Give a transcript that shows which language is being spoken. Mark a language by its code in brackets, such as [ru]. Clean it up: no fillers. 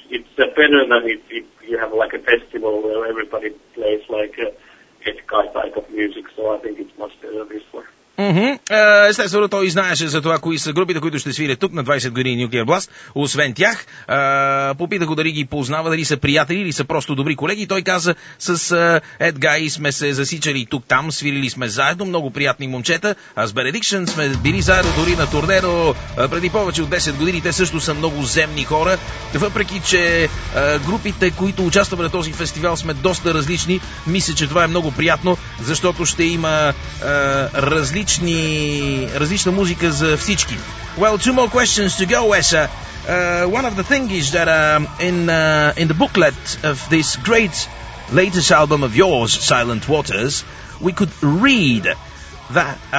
[en] It's better than if you have like a festival where everybody plays like Ed Guy type of music. So I think it's much better this way. [bg] Естествено, той знаеше за това, кои са групите, които ще свирят тук на 20 години Nuclear Blast. Освен тях, попитах го дали ги познава, дали са приятели или са просто добри колеги. Той каза, с Ed Guy сме се засичали тук-там, свирили сме заедно, много приятни момчета. А с Benediction сме били заедно дори на турне, но преди повече от 10 години те също са много земни хора. Въпреки, че групите, които участваме на този фестивал, сме доста различни, мисля, че това е много приятно, защото ще има различна музика за всички. [en] Well, two more questions to go, Essa. One of the things is that in the booklet of this great latest album of yours, Silent Waters, we could read that